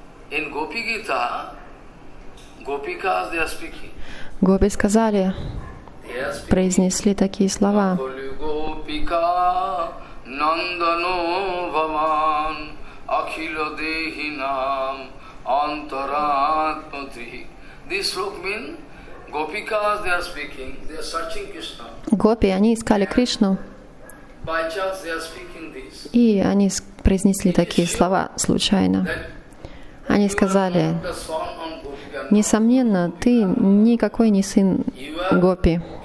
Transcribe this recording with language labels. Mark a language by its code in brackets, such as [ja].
[en] In Gopi-gita, Gopikas, they are speaking. [ru] Гопи сказали, произнесли такие слова. [sa] Gopika, Nandano Bhavan, Akhila Dehi Nam, Antaratmati. [en] This look means Gopikas, they are speaking. They are searching Krishna. [ru] Гопи, они искали Кришну. [en] By chance they are speaking this. [ru] И они произнесли такие слова случайно. Они сказали, несомненно, ты никакой не сын Гопи.